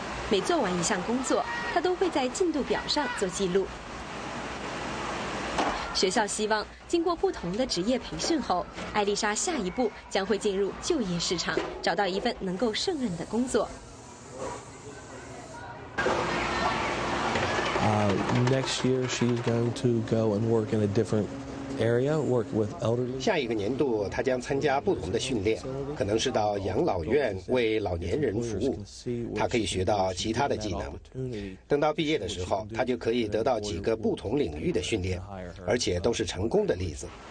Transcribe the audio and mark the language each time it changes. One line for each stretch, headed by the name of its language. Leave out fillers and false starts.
Chinese: 每做完一项工作，她都会在进度表上做记录。学校希望经过不同的职业培训后，艾丽莎下一步将会进入就业市场，找到一份能够胜任的工作。
English: Next year, she's going to go and work in a different area, work with elderly.
Chinese: 下一个年度，她将参加不同的训练，可能是到养老院为老年人服务。她可以学到其他的技能。等到毕业的时候，她就可以得到几个不同领域的训练，而且都是成功的例子。